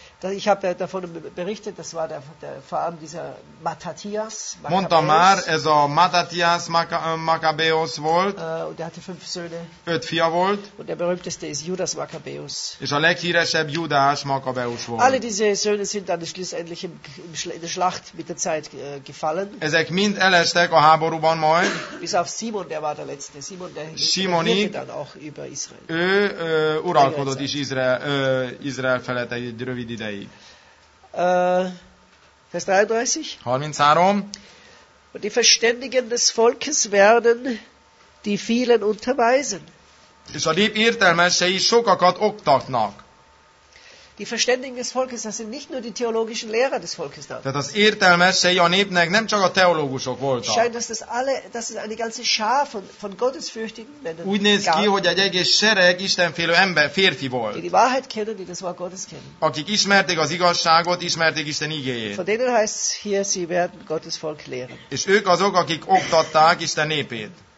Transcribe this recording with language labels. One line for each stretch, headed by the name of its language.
German: Ich habe davon berichtet, das war der vor allem dieser Matthias.
Hungarian: Mondtam már, ez a Matthias Makkabeus volt.
German: Und er hatte 5 Söhne.
Hungarian: 5 fia volt.
German: Und der berühmteste ist Judas Makkabeus.
Hungarian: És a leghíresebb Judas Makkabeus volt.
German: Alle diese Söhne sind dann schließlich in der Schlacht mit der Zeit gefallen.
Hungarian: Ezek mind elestek a háborúban majd.
German: Bis auf Simon, der war der letzte. Simon, der Simoni, dann auch über Israel.
Hungarian: Ő uralkodott is Izrael felett egy rövid idő.
German: Vers 33. 33. Und die Verständigen des Volkes werden die vielen unterweisen.
Hungarian: És a nép értelmesei sokakat oktatnak.
German: Die Verständigen des Volkes, das sind nicht nur die theologischen Lehrer des Volkes da.
Hungarian: Tehát az értelmesei a népnek nem csak a teológusok voltak.
German: Scheint, dass das alle, das ist eine ganze Schar von Gottesfürchtigen.
Hungarian: Úgy néz ki, hogy egy egész sereg Istenfélő ember, férfi volt.
German: Die Wahrheit kennen, die das Wort Gottes kennen.
Hungarian: Akik ismerték az igazságot, ismerték Isten igéjét.
German: Von denen heißt hier, sie werden Gottes Volk lehren.
Hungarian: És ők azok, akik oktatták Isten népét.